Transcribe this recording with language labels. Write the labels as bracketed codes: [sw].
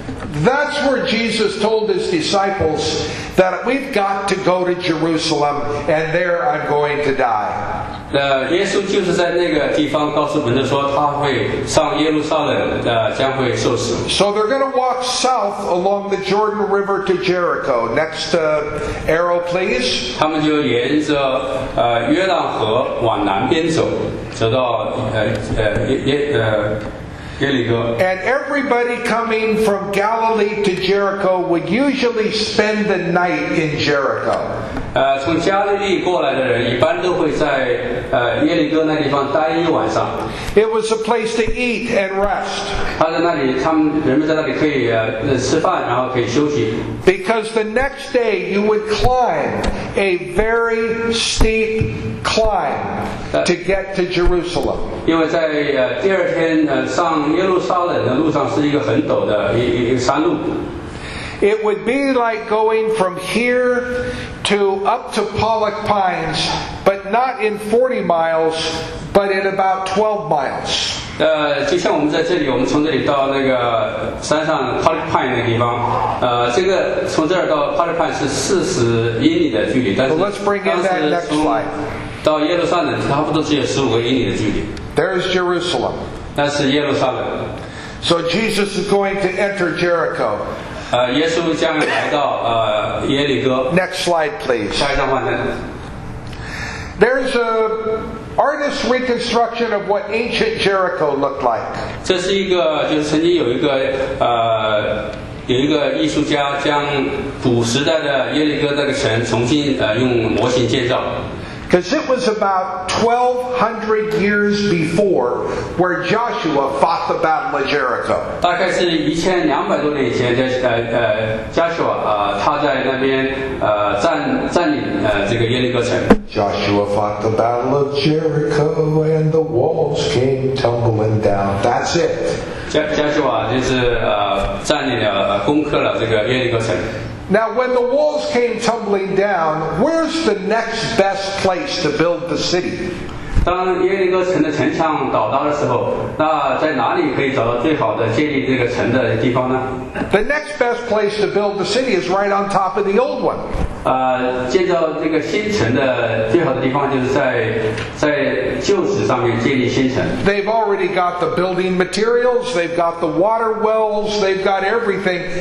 [en] That's where Jesus told his disciples that we've got to go to Jerusalem and there I'm going to die. [zh] 耶稣就是在那个地方告诉门徒说他会上耶路撒冷将会受死。 [en] So they're going to walk south along the Jordan River to Jericho. Next arrow please. [zh] 他们就沿着约旦河往南边走走到 [en] And everybody coming from Galilee to Jericho would usually spend the night in Jericho. [zh] 从加利利过来的人一般都会在耶利哥那地方待一晚上。 [en] It was a place to eat and rest. [zh] 他在那里，他们人们在那里可以吃饭，然后可以休息。 [en] Because the next day you would climb a very steep climb to get to Jerusalem. [zh] 因为在第二天上耶路撒冷的路上是一个很陡的一个山路。 [en] It would be like going from here to up to Pollock Pines, but not in 40 miles, but in about 12 miles. [zh] 就像我们在这里，我们从这里到那个山上 Pollock Pines 那个地方，这个从这儿到 Pollock Pines 是40英里的距离，但是 [en] let's bring in that next slide. [zh] 到耶路撒冷差不多只有15英里的距离。 [en] There's Jerusalem. [zh] 那是耶路撒冷。 [en] So Jesus is going to enter Jericho. [zh] 耶稣将来到耶利哥。 [en] Next slide, please. [zh] 下一张画面。 [en] There's a artist's reconstruction of what ancient Jericho looked like. [zh] 这是一个，就是曾经有一个有一个艺术家将古时代的耶利哥那个城重新用模型建造。 [en] Because it was about 1,200 years before where Joshua fought the battle of Jericho. [zh] 大概是一千两百多年以前，Joshua 他在那边占领这个耶利哥城。 [en] Joshua fought the battle of Jericho, and the walls came tumbling down. That's it. [zh] Joshua 就是占领了攻克了这个耶利哥城。 [en] Now, when the walls came tumbling down, where's the next best place to build the city? [zh] 当耶利哥城的城墙倒塌的时候，那在哪里可以找到最好的建立这个城的地方呢？ [en] The next best place to build the city is right on top of the old one. [zh] 建造这个新城的最好的地方就是在旧址上面建立新城。 [en] They've already got the building materials, they've got the water wells, they've got everything.